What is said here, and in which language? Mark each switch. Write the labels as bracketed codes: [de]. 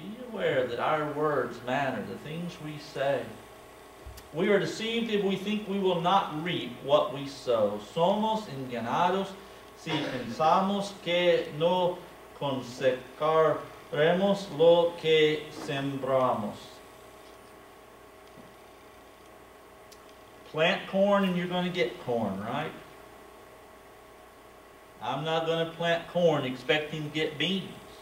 [en] Aware that our words matter, the things we say. We are deceived if we think we will not reap what we sow. [es] Somos engañados si pensamos que no cosecharemos lo que sembramos. [en] Plant corn and you're going to get corn, right? I'm not going to plant corn expecting to get beans.